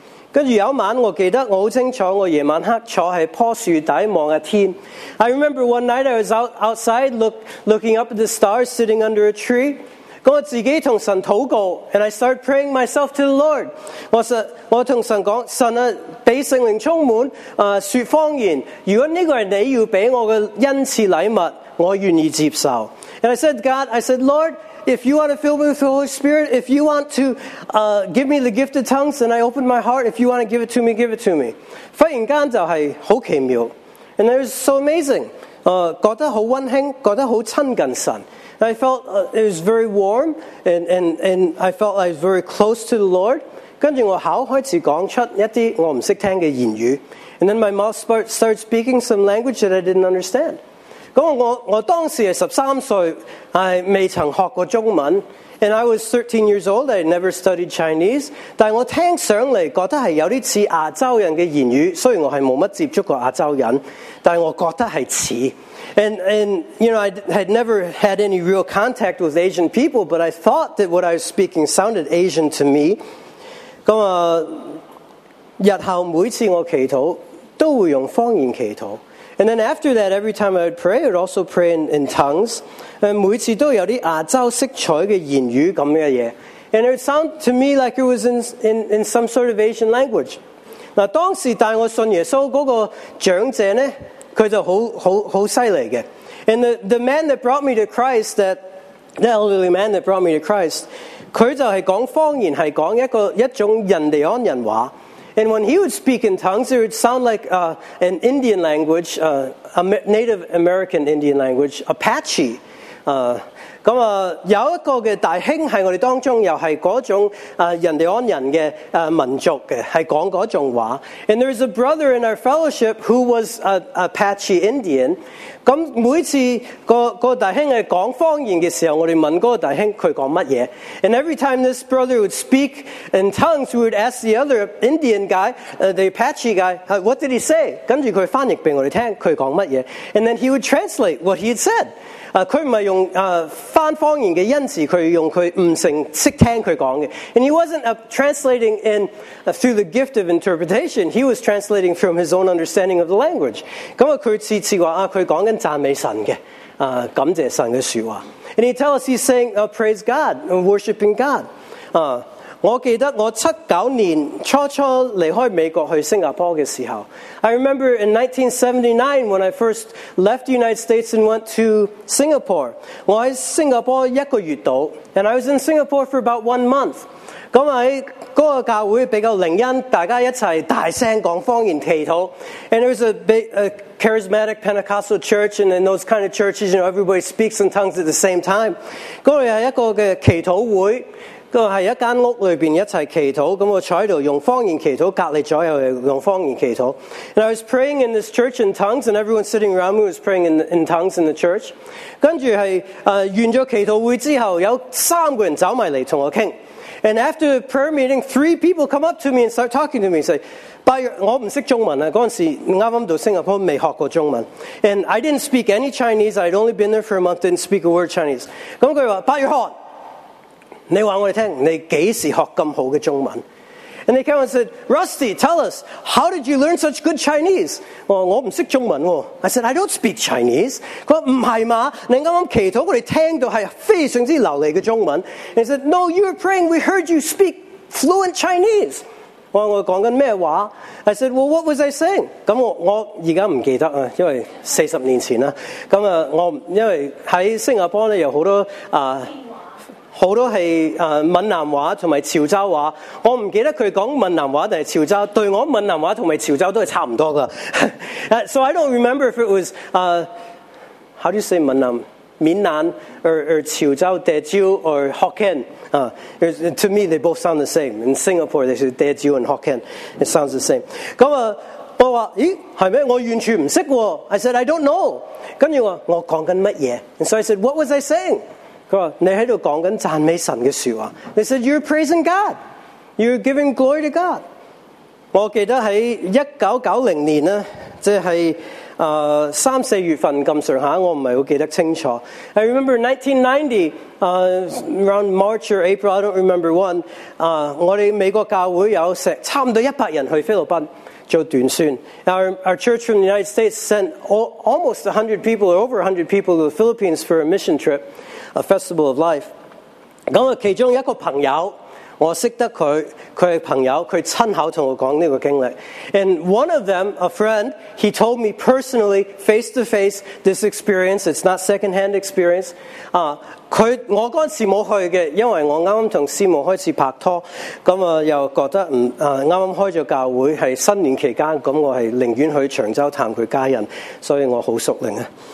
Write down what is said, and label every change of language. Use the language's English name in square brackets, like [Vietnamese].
[Cantonese] 跟住有一晚，我記得我好清楚，我夜晚黑坐喺棵樹底望下天。 [English] I remember one night I was outside looking up at the stars, sitting under a tree. [Cantonese] 我自己同神禱告 [English] ，and I started praying myself to the Lord. [Cantonese] 我同神講：神啊，俾聖靈充滿，説方言。如果呢個係你要俾我嘅恩賜禮物，我願意接受。 [English] And I said, God, I said, Lord. If you want to fill me with the Holy Spirit, if you want to give me the gift of tongues, then I open my heart. If you want to give it to me, give it to me. [Cantonese] 忽然間就係好奇妙 [English] ，and it was so amazing. [Cantonese] 覺得好温馨，覺得好親近神。 [English] I felt it was very warm, and I felt I was very close to the Lord. [Cantonese] 跟住我口開始講出一啲我唔識聽嘅言語 [English] ，and then my mouth started speaking some language that I didn't understand. [Cantonese] 我當時是13歲，係未曾學過中文 [English] ，and I was 13 years old. I never studied Chinese. [Cantonese] 但我聽上嚟覺得係有啲似亞洲人嘅言語，雖然我係冇乜接觸過亞洲人，但我覺得係似。 [English] And you know, I had never had any real contact with Asian people, but I thought that what I was speaking sounded Asian to me. [Cantonese] 咁啊，日後每次我祈禱都會用方言祈禱。 [English] And then after that, every time I would pray, I would also pray in tongues. [Cantonese] 每次都有啲亞洲色彩嘅言語咁嘅嘢。 [English] And it would sound to me like it was in some sort of Asian language. [Cantonese] 嗱，當時帶我信耶穌嗰個長者咧，佢就好犀利嘅。 [English] And the man that brought me to Christ, that elderly man that brought me to Christ, [Cantonese] 佢就係講方言，係講一種印第安人話。 [English] And when he would speak in tongues, it would sound like an Indian language, a Native American Indian language, Apache. [Cantonese] 咁啊，有一個嘅大兄喺我哋當中，又係嗰種印第安人嘅民族嘅，係講嗰種話。 [English] And there's a brother in our fellowship who was an Apache Indian. [Cantonese] 咁每次個大兄係講方言嘅時候，我哋問嗰個大兄佢講乜嘢。 [English] And every time this brother would speak in tongues, we would ask the other Indian guy, the Apache guy, what did he say? [Cantonese] 跟住佢翻譯俾我哋聽，佢講乜嘢。 [English] And then he would translate what he had said. [Cantonese] 佢唔係用翻方言嘅恩賜，佢用佢悟性識聽佢講嘅。 [English] And he wasn't translating in through the gift of interpretation. He was translating from his own understanding of the language. [Cantonese] 咁啊，佢次次話啊，佢講緊讚美神嘅，感謝神嘅説話。 [English] And he tell us he's saying praise God, worshiping God. [Cantonese] 我記得我79年初初離開美國去新加坡嘅時候 [English] ，I remember in 1979 when I first left the United States and went to Singapore. [Cantonese] 我喺新加坡一個月度 [English] ，and I was in Singapore for about 1 month. [Cantonese] 咁喺嗰個教會比較靈恩，大家一齊大聲講方言祈禱 [English] ，and it was a big, a charismatic Pentecostal church, and in those kind of churches, you know, everybody speaks in tongues at the same time. [Cantonese] 嗰度係一個嘅祈禱會。个系一间屋里边一齐祈祷，咁我坐喺度用方言祈祷，隔篱左右用方言祈祷。 [English] And I was praying in this church in tongues, and everyone sitting around me was praying in tongues in the church. [Cantonese] 跟住系完咗祈祷会之后，有三个人走埋嚟同我倾。 [English] And after the prayer meeting, three people come up to me and start talking to me, say, "By [Cantonese] 我唔识中文啊，嗰阵时啱啱到新加坡未学过中文。 [English] And I didn't speak any Chinese. I'd only been there for a month, didn't speak a word Chinese. [Cantonese] 咁佢话 [English] "By your heart." [Cantonese] 你話我哋聽，你幾時學咁好嘅中文 [English] ？And they came and said, "Rusty, tell us, how did you learn such good Chinese?" [Cantonese] 我唔識中文喎。 [English] I said, "I don't speak Chinese." [Cantonese] 佢話唔係嘛，你啱啱祈禱，我哋聽到係非常之流利嘅中文。 [English] He said, "No, you were praying. We heard you speak fluent Chinese." [Cantonese] 我講緊咩話 [English] ？I said, "Well, what was I saying?" [Cantonese] 咁我而家唔記得啊，因為40年前啦。咁啊，我因為喺新加坡咧有好多好多係閩南話同埋潮州話，我唔記得佢講閩南話定係潮州，對我閩南話同埋潮州都係差唔多噶。 [English] So I don't remember if it was how do you say 閩南？闽南 or 潮州、德州 or Hokkien、to me they both sound the same. In Singapore, they say 德州 and Hokkien. It sounds the same. [Cantonese] 咁啊，我話咦係咩？我完全唔識喎。 [English] I said I don't know. [Cantonese] 跟住我講緊乜嘢 [English] ？And so I said, what was I saying? [Cantonese] 你喺度讲紧赞美神嘅说话。 [English] They said you're praising God, you're giving glory to God。 [Cantonese] 我记得喺1990年咧，即系三四月份咁上下，我唔系好记得清楚。 [English] I remember 1990, around March or April, I don't remember when。 [Cantonese] 我哋美国教会有差唔多100人去菲律宾做短宣。 [English] Our church from the United States sent almost 100 people or over 100 people to the Philippines for a mission trip. A festival of life. [Cantonese] 咁啊，其中一個朋友，我識得佢，佢係朋友，佢親口同我講呢個經歷。 [English] And one of them, a friend, he told me personally, face to face, this experience. It's not secondhand experience. [Cantonese] 佢我嗰陣時冇去嘅，因為我啱啱同師母開始拍拖，咁啊又覺得啱啱開咗教會，係新年期間，咁我係寧願去長洲探佢家人，所以我好熟齡啊。